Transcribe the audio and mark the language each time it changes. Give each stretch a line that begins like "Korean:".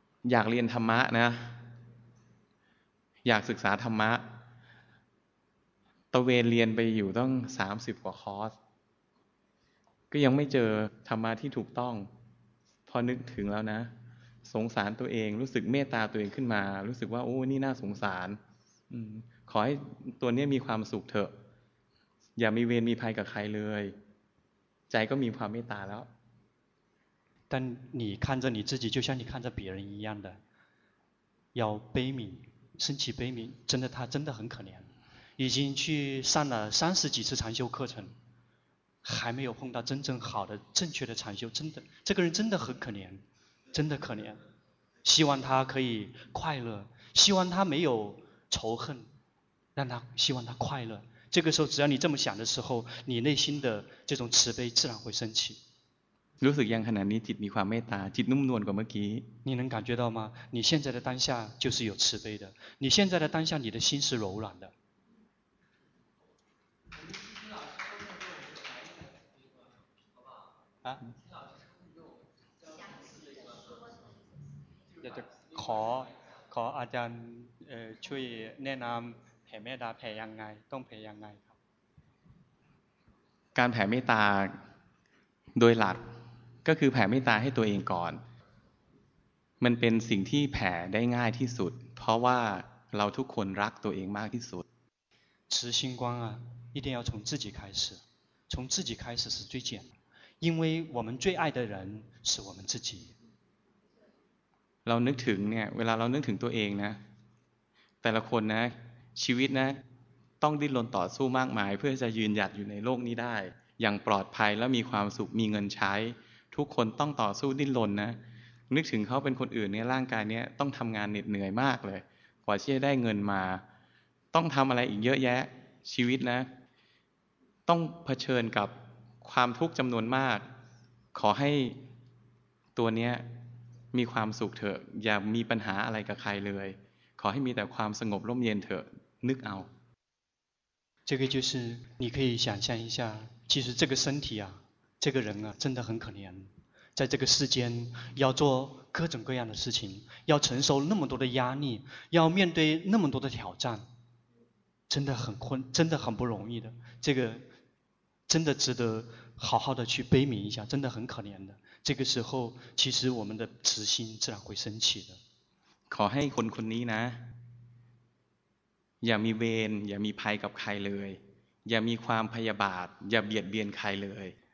Thai: อยากเรียนธรรมะนะอยากศึกษาธรรมะตะเวนเรียนไปอยู่ต้อง30กว่าคอร์สก็ยังไม่เจอธรรมะที่ถูกต้องพอนึกถึงแล้วนะสงสารตัวเองรู้สึกเมตตาตัวเองขึ้นมารู้สึกว่าโอ้นี่น่าสงสารขอให้ตัวนี้มีความสุขเถอะอย่ามีเวรมีภัยกับใครเลยใจก็มีความเมตตาแล้ว
Chinese: 但你看着你自己就像你看着别人一样的要悲悯升起悲悯真的他真的很可怜已经去上了三十几次禅修课程还没有碰到真正好的正确的禅修真的这个人真的很可怜真的可怜希望他可以快乐希望他没有仇恨让他希望他快乐这个时候只要你这么想的时候你内心的这种慈悲自然会升起
Thai: รู้สึกยังขนาดนี้จิตมีความเมตตาจิตนุ่มนวลกว่าเมื่อกี้
Chinese: 你能感觉到吗你现在的当下就是有慈悲的你现在的当下你的心是柔软的
Thai: อยากจะขออาจารย์ช่วยแนะนำแผ่เมตตาแผ่ยังไงต้องแผ่ยังไงครับ การแผ่เมตตาโดยหลักก็คือแผ่เมตตาให้ตัวเองก่อนมันเป็นสิ่งที่แผ่ได้ง่ายที่สุดเพราะว่าเราทุกคนรักตัวเองมากที่สุด
Chinese: 慈心观啊一定要从自己开始从自己开始是最简单因为我们最爱的人是我们自己
Thai: เรานึกถึงเนี่ยเวลาเรานึกถึงตัวเองนะแต่ละคนนะชีวิตนะต้องดิ้นรนต่อสู้มากมายเพื่อจะยืนหยัดอยู่ในโลกนี้ได้อย่างปลอดภัยและมีความสุขมีเงินใช้ทุกคนต้องต่อสู้ดิ้นรนนะนึกถึงเขาเป็นคนอื่นเนี่ยร่างกายเนี้ยต้องทำงานเหน็ดเหนื่อยมากเลยกว่าที่จะได้เงินมาต้องทำอะไรอีกเยอะแยะชีวิตนะ ต้องเผชิญกับความทุกข์จำนวนมากขอให้ตัวเนี้ยมีความสุขเถอะอย่ามีปัญหาอะไรกับใครเลยขอให้มีแต่ความสงบร่มเย็นเถอะนึกเอา
Chinese: 这个就是你可以想象一下，其实这个身体啊，这个人啊，真的很可怜，在这个世间要做各种各样的事情，要承受那么多的压力，要面对那么多的挑战，真的很困，真的很不容易的，这个真的值得好好的去悲悯一下，真的很可怜的。这个时候其实我们的慈心自然会升起的。
Thai: ขอให้คนคนนี้นะอย่ามีเวรอย่ามีภัยกับใครเลยอย่ามีความพยาบาทอย่าเบียดเบียนใครเลย